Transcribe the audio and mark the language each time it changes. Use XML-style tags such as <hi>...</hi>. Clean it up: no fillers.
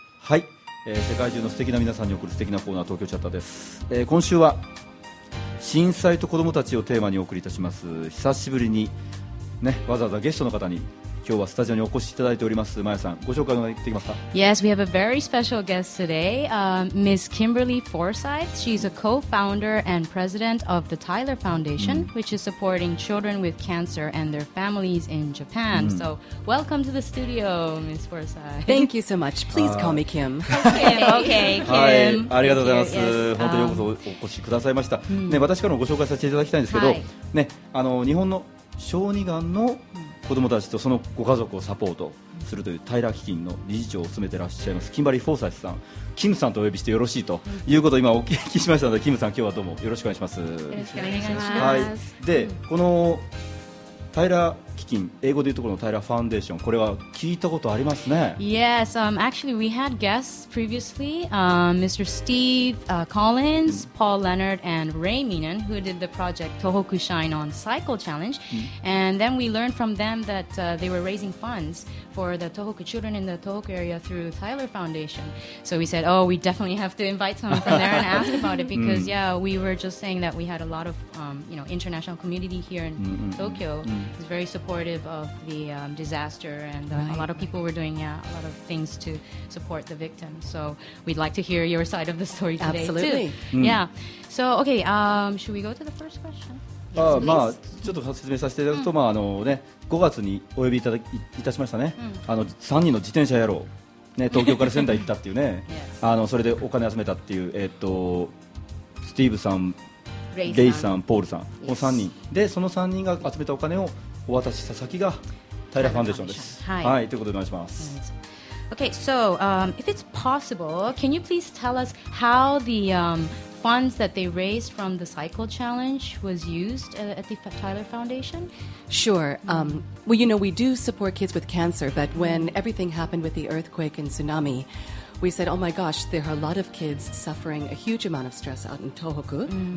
<ja>はい、世界中の素敵な皆さんに送る素敵なコーナー、東京チャッターです。今週は震災と子どもたちをテーマにお送りいたします。久しぶりに、ね、わざわざゲストの方に今日はスタジオにお越しいただいております。まやさん、ご紹介できますか？</ja> <en>Yes, we have a very special guest today、Ms. Kimberly Forsythe. She's a co-founder and president of the Tyler Foundation、which is supporting children with cancer and their families in Japan、So, welcome to the studio, Ms. Forsythe. Thank you so much. Please call me Kim. Okay, Kim.</en> <ja>はい、ありがとうございます。本当にようこそお越しくださいました、ね、私からもご紹介させていただきたいんですけど、ね、日本の小児がんの子どもたちとそのご家族をサポートするというタイラー基金の理事長を務めていらっしゃいますキンバリー・フォーサイスさん、キムさんとお呼びしてよろしいということを今お聞きしましたので、キムさん今日はどうもよろしくお願いします。よろしくお願いします、はい、でこのタイラー基金、英語でいうところのタイラーファンデーション、これは聞いたことありますね。</ja> <en>Yes,、actually we had guests previously、Mr. Steve、Collins、Paul Leonard and Ray Meenan who did the project Tohoku Shine On Cycle Challenge、and then we learned from them that、they were raising funds for the Tohoku children in the Tohoku area through Tyler Foundation, so we said oh we definitely have to invite someone from there and ask about it because 、yeah, we were just saying that we had a lot of、you know, international community here in、Tokyo、it's very supportive supportive of the disaster, and a lot of people were doing a lot of things to support the victims. So we'd like to hear your side of the story today. Absolutely. Too. Mm. Yeah. So, okay, should we go to the first question?</en> <ja>ああまあ、ちょっと説明させていただくと、うんまああのね、5月にお呼びいたしましたね、うん、あの3人の自転車野郎、ね、東京から仙台行ったっていうねあのそれでお金集めたっていう、スティーブさん、レイさん、ポールさん、この3人、</ja> <en>yes.</en> <ja>でその3人が集めたお金をお渡しした先がタイラファンデーションです。はい、はい、ということでお願いします。</ja> <en>Okay, so, if it's possible, can you please tell us how the, funds that they raised from the cycle challenge was used at the Tyler Foundation? Sure. Well, you know, we do support kids with cancer, but when everything happened with the earthquake and tsunami, we said, oh my gosh, there are a lot of kids suffering a huge amount of stress out in Tohoku mm-hmm.</en>